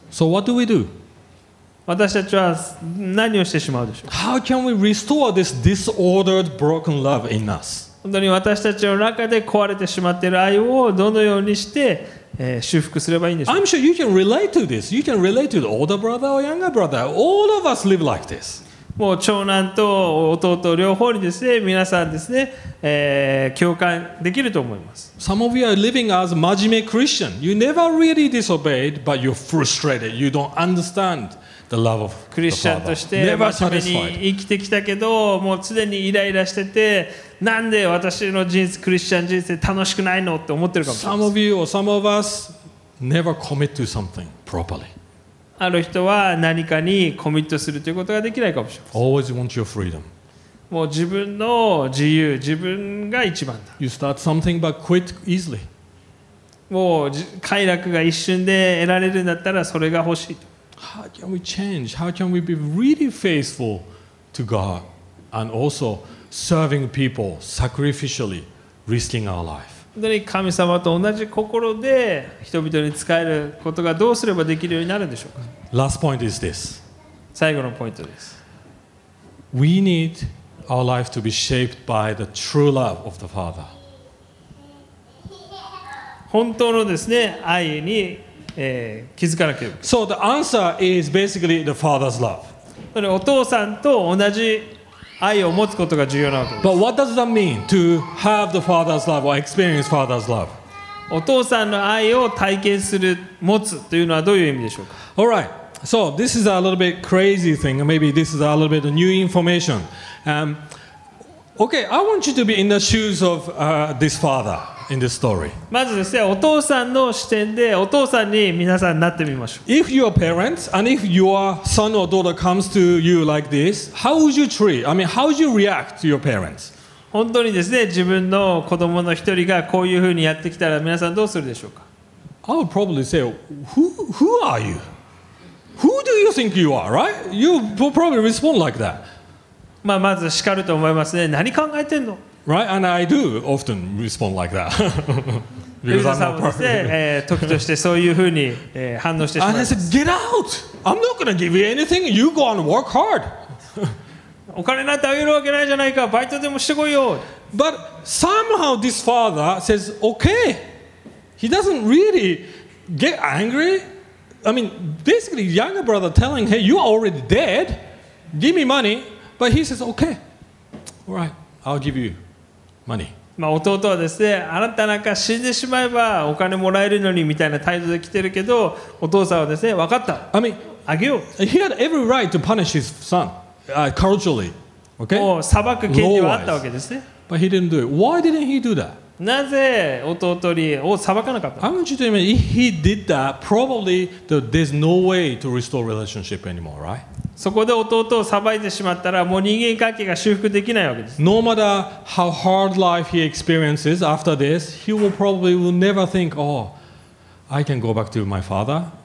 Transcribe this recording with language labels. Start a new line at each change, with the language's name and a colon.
English: So what do we do?
Japanese: 私たちは何をしてしまうでしょう。
English: How can we restore this disordered, broken love in us?
Japanese: 本当に私たちの中で壊れてしまっている愛をどのようにして修復すればいいんでしょう。
English: I'm sure you can relate to this. You can relate to the older brother or younger brother. All of us live like this.
Japanese: もう長男と弟両方にですね、皆さんですね、共感できると思います。
English: Some of you are living as 真面目 Christian. You never really disobeyed, but you're frustrated. You don't understand. The love of
Japanese: クリスチャンとして真面目に生きてきたけどもう常にイライラしててなんで私の人生クリスチャン人生楽しくないのって思ってるかもしれない。
English: Some of you or some of us never commit to something properly.
Japanese: ある人は何かにコミットするということができないかもしれません。
English: Always want your freedom.
Japanese: もう自分の自由自分が一番だ。
English: You start something but quit easily.
Japanese: もう快楽が一瞬で得られるんだったらそれが欲しいと。
English: How can we change? How can we be really faithful to God and also serving people sacrificially, risking our life?
Japanese: 本当に神様と同じ心で人々に仕えることがどうすればできるようになるんでしょうか。
English: Last point is this.
Japanese: 最後のポイントです。
English: We need our life to be shaped by the true love of the Father.
Japanese: 本当のですね、愛に、気づかなければ。
English: So the answer is basically the Father's love.
Japanese: お父さんと同じ愛を持つことが重要なわけです。
English: But what does that mean to have the Father's love or experience Father's love?
Japanese: お父さんの愛を体験する、持つというのはどういう意味でしょうか?
English: All right. So this is a little bit crazy thing. Maybe this is a little bit of new information. Okay, I want you to be in the shoes of this father in this story.
Japanese: まずですね、お父さんの視点でお父さんに皆さんなってみましょう。
English: If your parents and if your son or daughter comes to you like this, how would you treat? I mean, how would you react to your parents?
Japanese: 本当にですね、自分の子供の一人がこういうふうにやってきたら皆さんどうするでしょうか?
English: I would probably say, who are you? Who do you think you are, right? You will probably respond like that.
Japanese: まあ、まず叱ると思いますね。何考えてんの?
English: Right, and I do often respond like that because I'm not perfect.
Japanese: 時としてそういうふうに反応してしまいます。
English: And I said, "Get out! I'm not going to give you anything. You go and work hard."
Japanese: お金なんてあげるわけないじゃないか。バイトでもしてこいよ。
English: But somehow this father says, "Okay." He doesn't really get angry. I mean, basically, younger brother telling, "Hey, you're already dead. Give me money." But he says, "Okay, all right." I'll give you money.
Japanese: まあ弟はですね、あなたなんか死んでしまえばお金もらえるのにみたいな態度で来てるけど、お父さんはですね、分かった。
English: I mean,
Japanese: あげよう。
English: He had every right to punish his son, culturally. Okay?
Japanese: もう裁く権利はあったわけですね。
English: But he didn't do it. Why didn't he do that?
Japanese: なぜ弟にを裁かなかった
English: の? I want you to imagine, if he did that, probably there's no way to restore relationship anymore, right?
Japanese: そこで弟を裁いてしまったらもう人間関係が修復できないわけです。
English: No matter how hard life he experiences after this, he will probably will never think, oh, I can go back to my father.